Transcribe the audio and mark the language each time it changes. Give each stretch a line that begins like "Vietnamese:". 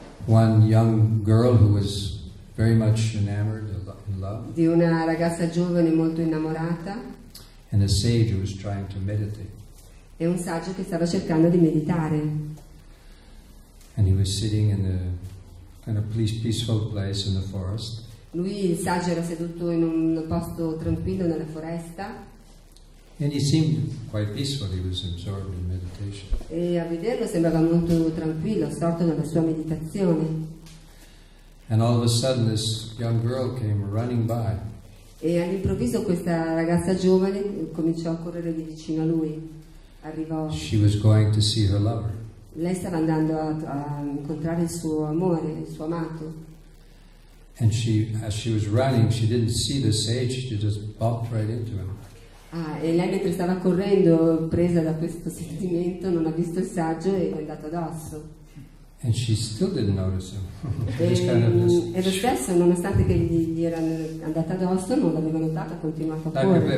English: One young girl who was very much enamored in love.
Italian: Di una ragazza giovane molto innamorata.
English: And a sage who was trying to meditate.
Italian: E un saggio che stava cercando di meditare.
English: And he was sitting in a kind of peaceful place in the forest.
Italian: Lui, il saggio, era seduto in un posto tranquillo nella foresta.
English: And he seemed quite peaceful. He was absorbed in meditation.
Italian: E a vederlo sembrava molto tranquillo, assorto nella sua meditazione.
English: And all of a sudden, this young girl came running by.
Italian: E all'improvviso questa ragazza giovane cominciò a correre di vicino a lui. Arrivò.
English: She was going to see her lover.
Italian: Lei stava andando a incontrare il suo amore, il suo amato.
English: And she, as she was running, she didn't see the sage. She just bumped right into him.
Italian: Ah, e lei mentre stava correndo, presa da questo sentimento, non ha visto il saggio e è andata addosso.
English: And she still didn't notice him.
Italian: E lo stesso, nonostante che gli era andata addosso, non l'aveva notata, continuava a correre.